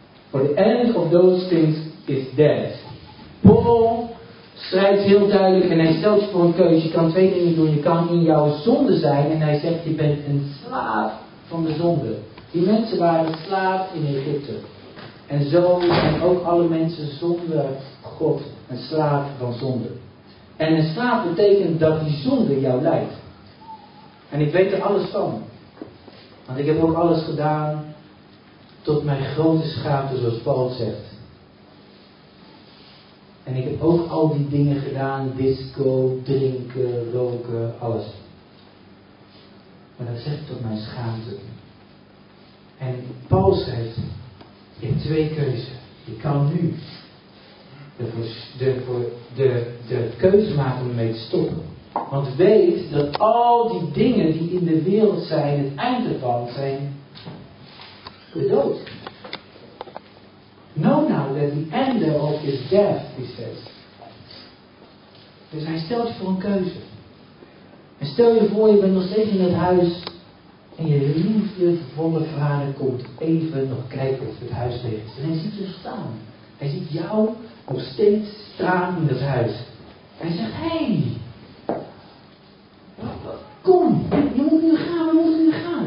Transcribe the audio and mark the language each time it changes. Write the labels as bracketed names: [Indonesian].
[English] For the end of those things is death. [Dutch] Paul schrijft heel duidelijk en hij stelt je voor een keuze. Je kan twee dingen doen. Je kan in jouw zonde zijn en hij zegt: je bent een slaaf van de zonde. Die mensen waren slaaf in Egypte. En zo zijn ook alle mensen zonder God een slaaf van zonde. En een slaaf betekent dat die zonde jou leidt. En ik weet er alles van. Want ik heb ook alles gedaan tot mijn grote schaamte, zoals Paul zegt. En ik heb ook al die dingen gedaan, disco, drinken, roken, alles. Maar dat zegt tot mijn schaamte. En Paul schrijft: je hebt twee keuzes. Je kan nu de keuze maken om ermee te stoppen. Want weet dat al die dingen die in de wereld zijn, het einde ervan zijn de dood. [English] Know now that the end of is death, he says. [Dutch] Dus hij stelt je voor een keuze. En stel je voor, je bent nog steeds in het huis en je liefdevolle vader komt even nog kijken of het huis leeg is. En hij ziet je staan. Hij ziet jou nog steeds staan in het huis. Hij zegt, hey, kom, je moet nu gaan, we moeten nu gaan.